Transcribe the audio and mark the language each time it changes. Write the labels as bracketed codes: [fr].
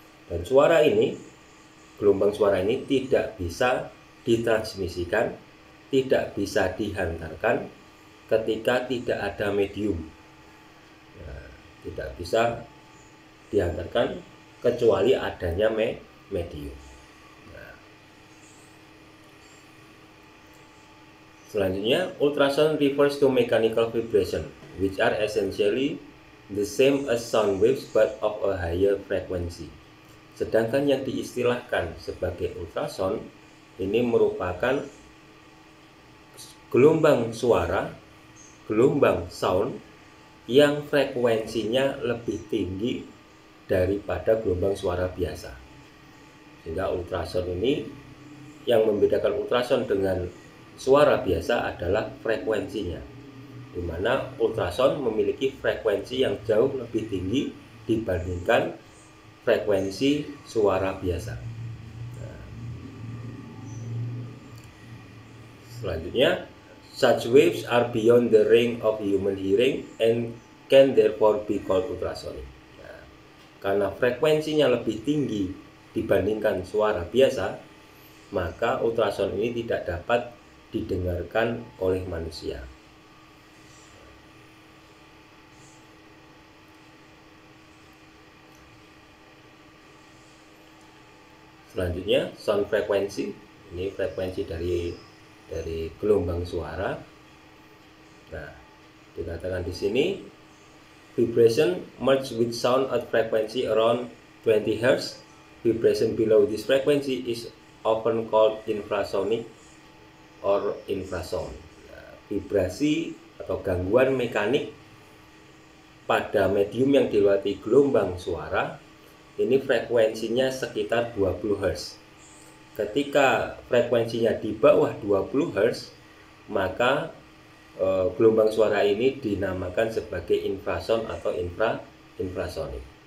[id] Dan suara ini, gelombang suara ini tidak bisa ditransmisikan, tidak bisa dihantarkan ketika tidak ada medium. Nah, tidak bisa dihantarkan kecuali adanya medium. Nah, selanjutnya, [en] ultrasound refers to mechanical vibration, which are essentially the same as sound waves but of a higher frequency. [id] Sedangkan yang diistilahkan sebagai ultrasound ini merupakan gelombang suara, gelombang sound yang frekuensinya lebih tinggi daripada gelombang suara biasa. Sehingga ultrasound ini, yang membedakan ultrasound dengan suara biasa adalah frekuensinya, di mana ultrasound memiliki frekuensi yang jauh lebih tinggi dibandingkan frekuensi suara biasa. [en] Selanjutnya, such waves are beyond the range of human hearing and can therefore be called ultrasonic. [id] Karena frekuensinya lebih tinggi dibandingkan suara biasa, maka ultrasound ini tidak dapat didengarkan oleh manusia. Selanjutnya, sound frequency, ini frekuensi dari gelombang suara. Nah, dikatakan di sini, [en] vibration merge with sound at frequency around 20 Hz. Vibration below this frequency is often called infrasonic or infrasound. [id] Nah, vibrasi atau gangguan mekanik pada medium yang dilewati gelombang suara ini frekuensinya sekitar 20 Hz. Ketika frekuensinya di bawah 20 Hz, maka gelombang suara ini dinamakan sebagai infrasound atau infrasonik.